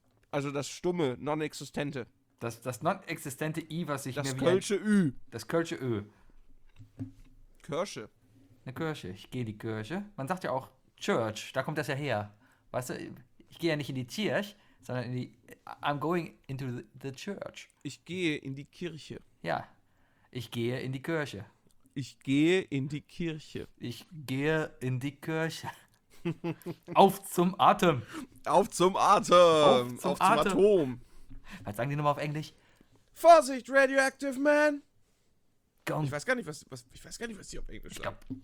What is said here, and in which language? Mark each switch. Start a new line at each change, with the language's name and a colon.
German: Also das stumme, non-existente. Das non-existente I, was ich das mir... Das kölsche Ü. Das kölsche Ö. Kirche. Eine Kirche. Ich gehe in die Kirche. Man sagt ja auch Church. Da kommt das ja her. Weißt du, ich gehe ja nicht in die Kirche.
English: Sondern in die, I'm going into the church.
German: Ich gehe in die Kirche. Ja, ich gehe in die Kirche. Ich gehe in die Kirche. Ich gehe in die Kirche. Auf zum Atem. Auf zum Atem. Auf zum Atom. Was sagen die nochmal auf Englisch? Vorsicht, Radioactive Man. Ich weiß gar nicht, was die auf Englisch sagen.